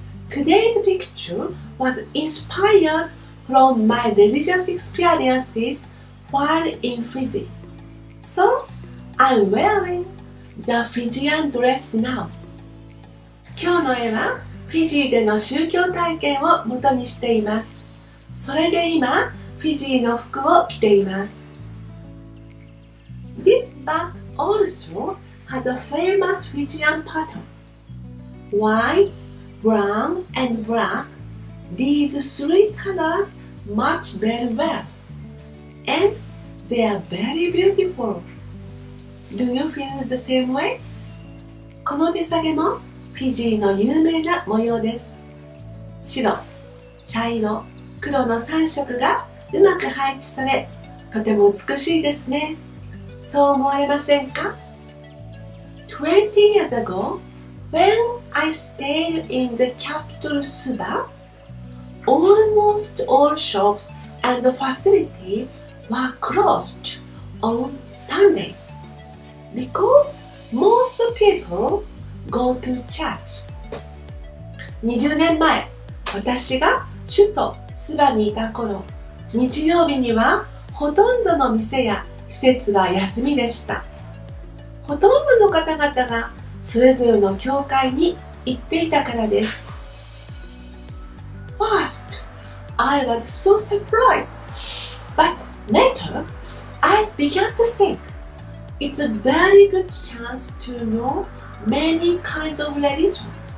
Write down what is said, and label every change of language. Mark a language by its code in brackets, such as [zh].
[en] Today's picture was inspired from my religious experiences while in Fiji. So, I'm wearing the Fijian dress now. [ja] 今日の絵は、フィジーでの宗教体験を元にしています。それで今、フィジーの服を着ています。 [en] This bag also has a famous Fijian pattern. White, brown and black, these three colors match very well. And they are very beautiful. Do you feel the same way? [ja] この手提げもフィジーの有名な模様です。白、茶色、黒の3色がうまく配置され、とても美しいですね。そう思えませんか ? [en] 20 years ago, when I stayed in the capital Suba, almost all shops and facilities were closed on Sunday because most people go to church. [ja] 20年前、私が首都スバにいた頃、日曜日にはほとんどの店や施設は休みでした。ほとんどの方々がそれぞれの教会に行っていたからです。 [en] First, I was so surprised. But later, I began to think it's a very good chance to know many kinds of religion.